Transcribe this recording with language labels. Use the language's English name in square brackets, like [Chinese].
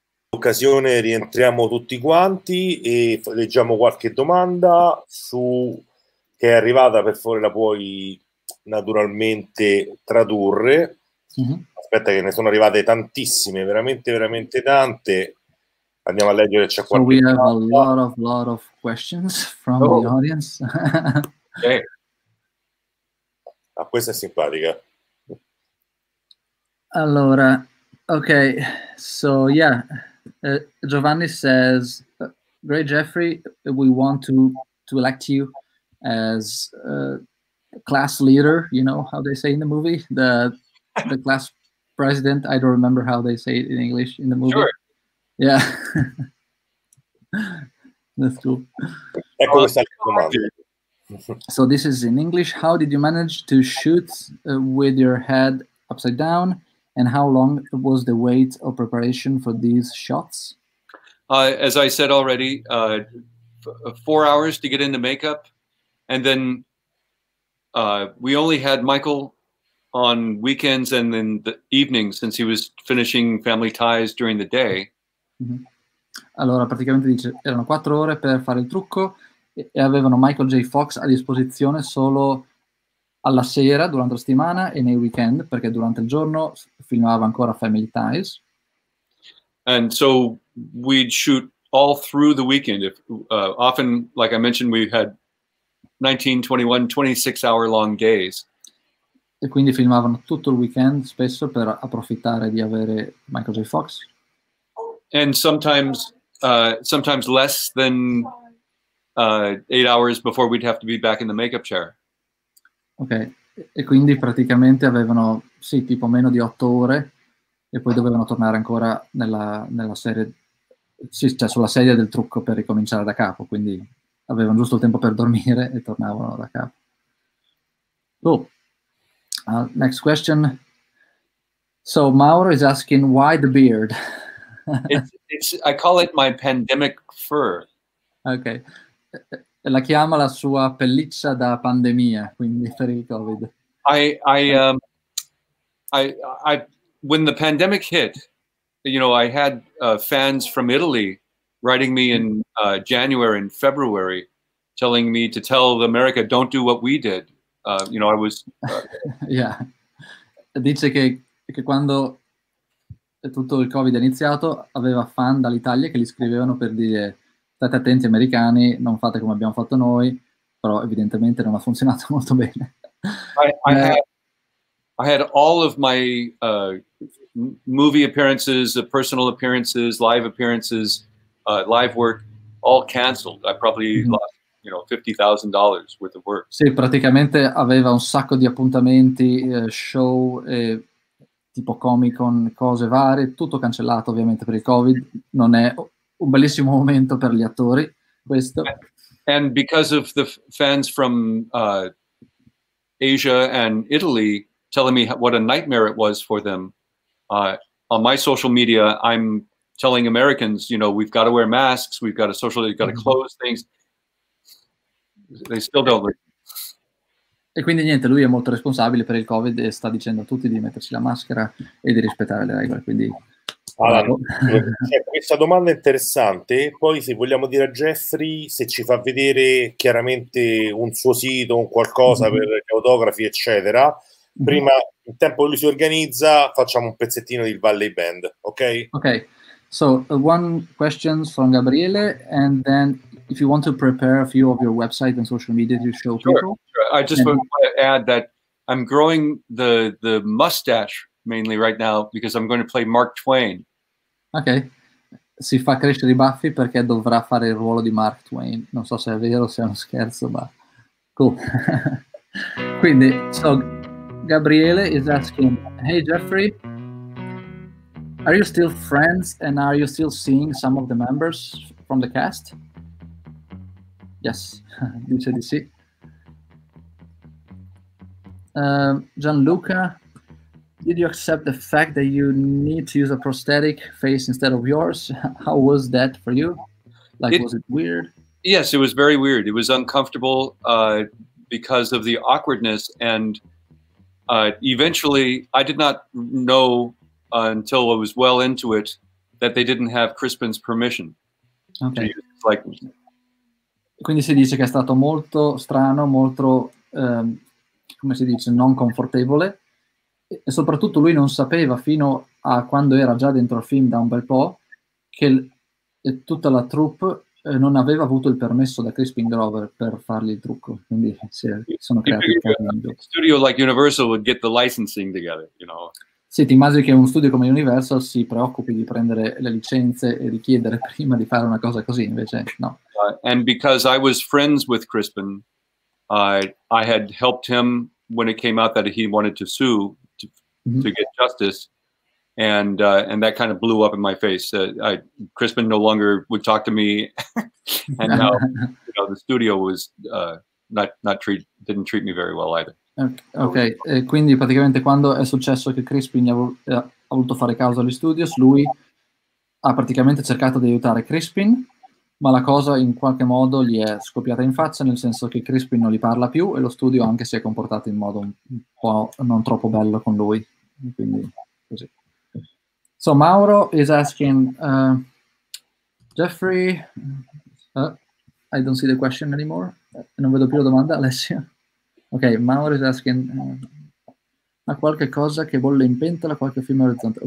[Italian] Occasione, rientriamo tutti quanti e leggiamo qualche domanda su che è arrivata, per favore la puoi naturalmente tradurre. Mm-hmm. Aspetta che ne sono arrivate tantissime, veramente veramente tante. Andiamo a leggere, c'è qualche domanda. [English] So we have a lot of questions from the audience. [Italian] Ok, questa è simpatica. Allora, [English] ok, so yeah, Giovanni says, great Jeffrey, we want to elect you as class leader, you know how they say in the movie, the class president, I don't remember how they say it in English in the movie. Sure. Yeah, that's cool. [Italian] Ecco questa domanda. [English] So this is in English. How did you manage to shoot with your head upside down? And how long was the wait or preparation for these shots? As I said already, 4 hours to get into makeup. And then we only had Michael on weekends and then the evening, since he was finishing Family Ties during the day. Mm-hmm. [Italian] Allora, praticamente dice, erano 4 ore per fare il trucco. E avevano Michael J. Fox a disposizione solo alla sera, durante la settimana e nei weekend, perché durante il giorno filmava ancora Family Ties. [English] And so we'd shoot all through the weekend. If, often, like I mentioned, we had 19, 21, 26 hour long days. [Italian] E quindi filmavano tutto il weekend, spesso per approfittare di avere Michael J. Fox. [English] And sometimes, sometimes less than 8 hours before we'd have to be back in the makeup chair. [Italian] Okay, e quindi praticamente avevano sì tipo meno di 8 ore e poi dovevano tornare ancora nella serie, sì, cioè sulla sedia del trucco per ricominciare da capo. Quindi avevano giusto il tempo per dormire e tornavano da capo. [English] Cool. Next question. So Mauro is asking why the beard. it's I call it my pandemic fur. Okay. [Italian] La chiama la sua pelliccia da pandemia, quindi per il COVID. [English] I when the pandemic hit, you know, I had fans from Italy writing me in January and February, telling me to tell America, don't do what we did. You know, I was. Yeah. [Italian] Dice che quando tutto il COVID è iniziato, aveva fan dall'Italia che gli scrivevano per dire, state attenti americani, non fate come abbiamo fatto noi, però evidentemente non ha funzionato molto bene. [English] I had all of my movie appearances, personal appearances, live appearances, live work, all canceled. I probably lost, you know, $50,000 worth of work. [Italian] Sì, praticamente aveva un sacco di appuntamenti, show, tipo Comic-Con, cose varie, tutto cancellato ovviamente per il COVID. Non è un bellissimo momento per gli attori, questo. [English] And because of the fans from Asia and Italy telling me what a nightmare it was for them, on my social media, I'm telling Americans, you know, we've got to wear masks, we've got to socially, we've got to close things. They still don't listen. [Italian] E quindi niente, lui è molto responsabile per il COVID e sta dicendo a tutti di mettersi la maschera e di rispettare le regole, quindi... Allora, questa domanda è interessante, poi se vogliamo dire a Jeffrey se ci fa vedere chiaramente un suo sito, un qualcosa per gli autografi, eccetera, prima, in tempo lui si organizza, facciamo un pezzettino di Valley Band, ok? [English] Ok, so one question from Gabriele, and then if you want to prepare a few of your website and social media to show people. Sure. I just want to add that I'm growing the mustache mainly right now because I'm going to play Mark Twain. Okay. [Italian] Si fa crescere i baffi perché dovrà fare il ruolo di Mark Twain. Non so se è vero o se è uno scherzo, ma cool. Quindi, [English] so Gabriele is asking, "Hey Jeffrey, are you still friends and are you still seeing some of the members from the cast?" Yes. [Italian] Dice di sì. [English] Gianluca, did you accept the fact that you need to use a prosthetic face instead of yours? How was that for you? Like, was it weird? Yes, it was very weird. It was uncomfortable because of the awkwardness. And eventually, I did not know until I was well into it that they didn't have Crispin's permission. Okay. To use, like, [Italian] quindi si dice che è stato molto strano, molto... come si dice, non confortevole, e soprattutto lui non sapeva fino a quando era già dentro il film da un bel po' che tutta la troupe non aveva avuto il permesso da Crispin Glover per fargli il trucco, quindi si sono creati [English] un studio like Universal would get the licensing together, you know. [Italian] Sì, ti immagini che un studio come Universal si preoccupi di prendere le licenze e di chiedere prima di fare una cosa così, invece no. [English] And because I was friends with Crispin, I had helped him when it came out that he wanted to sue to get justice, and that kind of blew up in my face. Crispin no longer would talk to me, and now, you know, the studio was didn't treat me very well either. Okay. [Italian] E quindi praticamente quando è successo che Crispin ha voluto fare causa agli studios, lui ha praticamente cercato di aiutare Crispin, ma la cosa in qualche modo gli è scoppiata in faccia, nel senso che Crispin non gli parla più e lo studio anche si è comportato in modo un po' non troppo bello con lui. Quindi, così. [English] So Mauro is asking, Jeffrey, I don't see the question anymore. [Italian] Non vedo più la domanda, Alessia. [English] Ok, Mauro is asking, [Italian] ha qualche cosa che bolle in pentola, qualche film orizzonte.